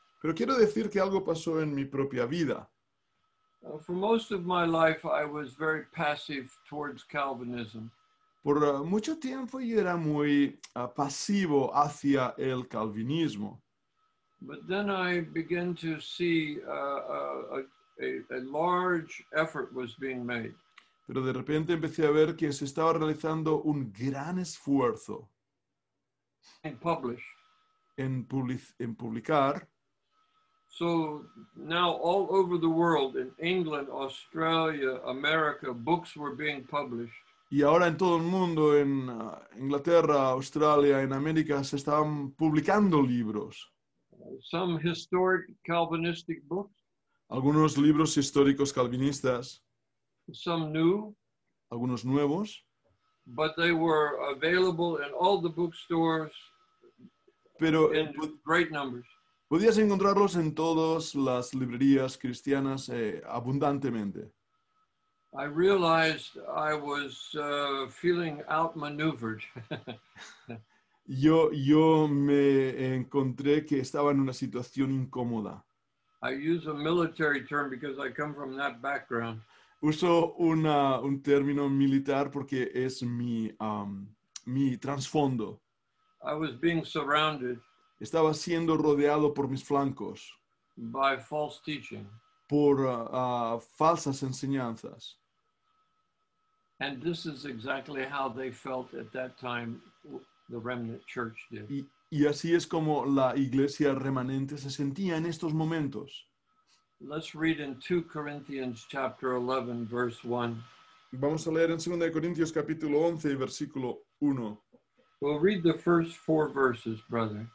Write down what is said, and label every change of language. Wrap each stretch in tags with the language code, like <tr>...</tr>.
<es>Pero quiero decir que algo pasó en mi propia vida.</es> <en>For most of my life, I was very passive towards Calvinism.</en> <es>Por mucho tiempo yo era muy pasivo hacia el calvinismo.</es> <en>But then I began to see a large effort was being made.</en> <es>Pero de repente empecé a ver que se estaba realizando un gran esfuerzo.</es> <en>And publish.</en> <es>En publicar.</es> <en>So now all over the world, in England, Australia, America, books were being published.</en> <es>Y ahora en todo el mundo, en Inglaterra, Australia, en América, se estaban publicando libros.</es> <en>Some historic Calvinistic books.</en> <es>Algunos libros históricos calvinistas.</es> <en>Some new.</en> <es>Algunos nuevos.</es> <en>But they were available in all the bookstores.</en> <es>Pero</es> <en>in great numbers.</en> <es>Podías encontrarlos en todas las librerías cristianas abundantemente.</es> <en>I realized I was feeling outmaneuvered.</en> <es>Yo me encontré que estaba en una situación incómoda.</es> <en>I use a military term because I come from that background.</en> <es>Uso un término militar porque es mi trasfondo.</es> <en>I was being surrounded.</en> <es>Estaba siendo rodeado por mis flancos.</es> <en>By false teaching.</en> <es>Por falsas enseñanzas.</es> <en>And this is exactly how they felt at that time, the remnant church did.</en> <es>Y así es como la iglesia remanente se sentía en estos momentos.</es> <en>Let's read in 2 Corinthians chapter 11, verse 1.</en> <es>Vamos a leer en 2 Corintios capítulo 11, versículo 1.</es> <en>We'll read the first four verses, brother.</en>